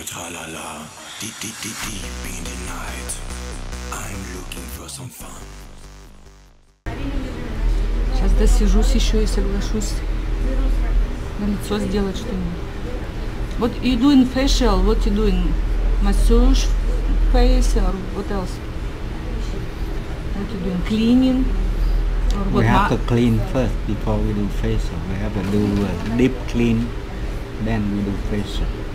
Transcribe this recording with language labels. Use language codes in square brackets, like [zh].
[en] La-la-la, deep in the night, I'm looking for some fun. [ru] Сейчас досижусь еще и соглашусь на лицо сделать что-нибудь. [en] What are you doing facial? What are you doing? Massage face or what else? What are you doing? Cleaning? Or what? We have to clean first before we do facial. We have to do a deep clean, then we do facial.